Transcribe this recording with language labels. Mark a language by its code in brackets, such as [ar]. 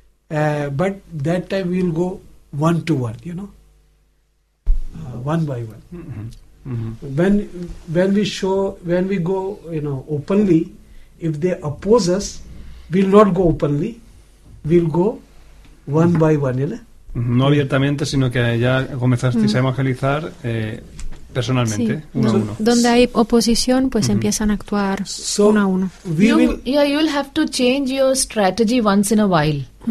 [en] But that time we'll go one to one, you know. One by one. Mm-hmm. When we go, you know, openly, if they oppose us, we'll not go openly. We'll go one by one, you know? [es] No abiertamente, sino que ya comenzasteis a evangelizar personalmente, uno a uno. Donde hay oposición, pues empiezan a actuar uno a uno. [en] You'll have to change your strategy once in a while,